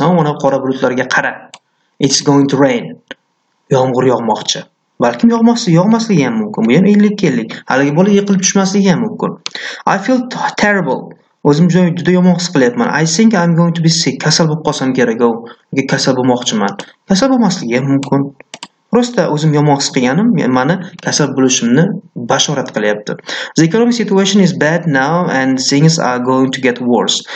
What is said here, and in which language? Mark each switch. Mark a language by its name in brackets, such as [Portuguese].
[Uzbek] Ona qora bulutlarga qara. [English] It's going to rain. [Uzbek] Yomg'ir yog'moqchi. Balkim yog'masligi ham mumkin. Bu ham 50-50. Haligi bola yiqilib tushmasligi ham mumkin. [English] I feel terrible. [Uzbek] O'zim juda yomon his qilyapman. [English] I think I'm going to be sick. [Uzbek] Kasal bo'lib qolsam kerak-ku. Yoki kasal bo'lmoqchiman. Kasal bo'lmasligi ham mumkin. Prosta o'zim yomon his qilganim meni kasal bo'lishimni bashorat qilyapti. [English] The economic situation is bad now and things are going to get worse.